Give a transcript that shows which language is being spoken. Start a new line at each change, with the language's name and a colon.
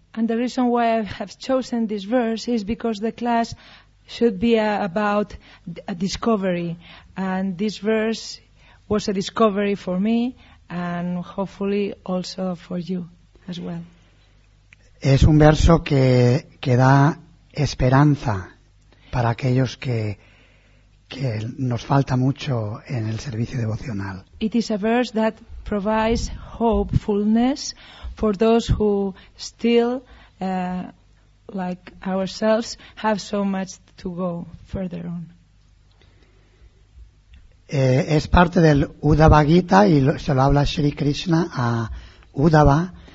English: And the reason why I have chosen this verse is because the class should be about a discovery. And this verse was a discovery for me and hopefully also for you. As well.
Spanish: Es un verso que da esperanza para aquellos que nos falta mucho en el servicio devocional.
English: It is a verse that provides hopefulness for those who still, like ourselves, have so much to go further on.
Spanish: Es parte del Uddhava Gita y se lo habla Sri Krishna a Uddhava.